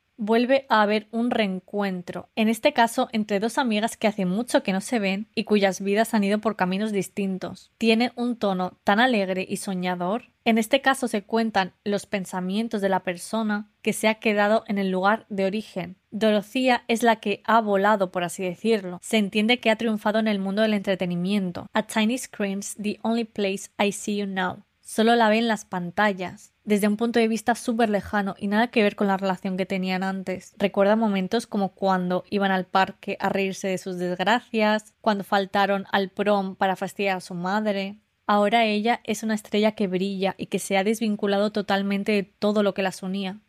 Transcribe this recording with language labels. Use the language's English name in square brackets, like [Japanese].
[Spanish] Vuelve a haber un reencuentro, en este caso entre dos amigas que hace mucho que no se ven y cuyas vidas han ido por caminos distintos. Tiene un tono tan alegre y soñador. En este caso se cuentan los pensamientos de la persona que se ha quedado en el lugar de origen. Dorocía es la que ha volado, por así decirlo. Se entiende que ha triunfado en el mundo del entretenimiento. [English] A tiny screen's the only place I see you now. [Spanish] Solo la ve en las pantallas. Desde un punto de vista súper lejano y nada que ver con la relación que tenían antes. Recuerda momentos como cuando iban al parque a reírse de sus desgracias, cuando faltaron al prom para fastidiar a su madre. Ahora ella es una estrella que brilla y que se ha desvinculado totalmente de todo lo que las unía.